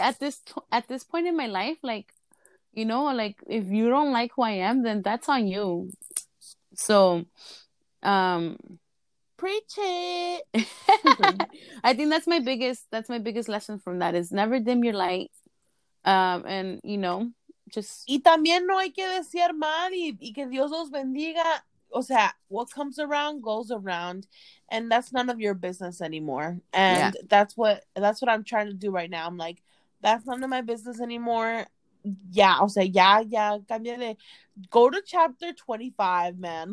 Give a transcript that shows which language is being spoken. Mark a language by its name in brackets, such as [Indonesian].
[English] At this point in my life, like, you know, like, if you don't like who I am, then that's on you. So, preach it. I think that's my biggest lesson from that is never dim your light. And, you know, just. [Spanish] Y también no hay que desear mal y que Dios los bendiga. [English] O sea, what comes around goes around, and that's none of your business anymore. And yeah. that's what I'm trying to do right now. I'm like, that's none of my business anymore. Yeah, I'll say, yeah, yeah, [Spanish] cambiale. [English] Go to chapter 25, man.